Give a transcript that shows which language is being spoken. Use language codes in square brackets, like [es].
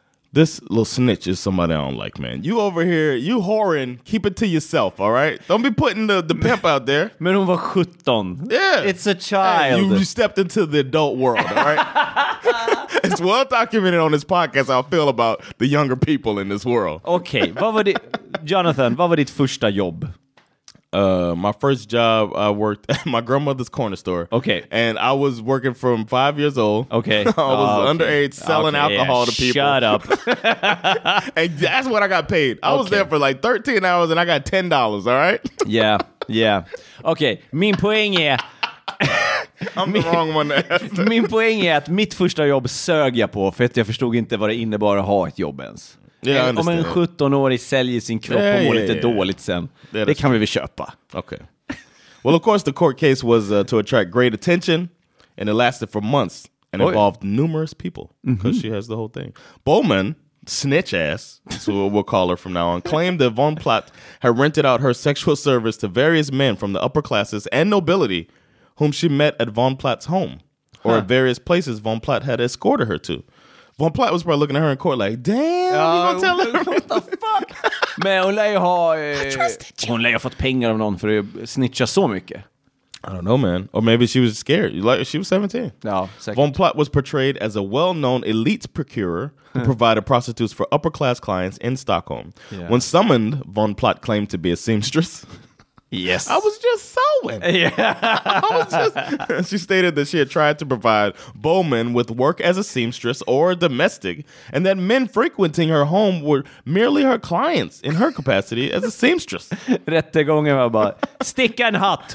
[en] This little snitch is somebody I don't like, man. You over here, you whoring, keep it to yourself, all right? Don't be putting the pimp out there. [sv] Men hon var 17. [en] Yeah. It's a child. Hey, you stepped into the adult world, all right? It's well documented on this podcast how I feel about the younger people in this world. Okay. [sv] Jonathan, vad var ditt första jobb? [en] My first job, I worked at my grandmother's corner store. Okay. And I was working from 5 years old. Okay. I was underage selling alcohol to people. Shut up. And that's what I got paid. I was there for like 13 hours and I got $10, all right? Yeah, yeah. Okay, [sv] min poäng är... [en] I'm the wrong one to ask. [sv] Min poäng är att mitt första jobb sög jag på för att jag förstod inte vad det innebar att ha ett jobb ens. [en] Yeah, [sv] om en 17-årig säljer sin kropp och mår lite dåligt sen. Yeah, det kan vi väl köpa. [en] Okay. Well, of course, the court case was to attract great attention, and it lasted for months and involved numerous people, because she has the whole thing. Bowman, snitch ass, so we'll call her from now on, claimed that von Platt had rented out her sexual service to various men from the upper classes and nobility whom she met at von Platt's home or at various places von Platt had escorted her to. Von Platt was probably looking at her in court like, damn, you gonna tell her? What the fuck? [sv] Men hon lär ju ha... [en] I trusted you. [sv] Hon lär ju ha fått pengar av någon för att snitcha så mycket. [en] I don't know, man. Or maybe she was scared. Like, she was 17. No, second. Von Platt was portrayed as a well-known elite procurer who provided prostitutes for upper-class clients in Stockholm. Yeah. When summoned, Von Platt claimed to be a seamstress. Yes. I was just sewing. Yeah. I was just... She stated that she had tried to provide Bowman with work as a seamstress or a domestic, and that men frequenting her home were merely her clients in her capacity as a seamstress. [sv] Rättegången var bara, sticka en hatt.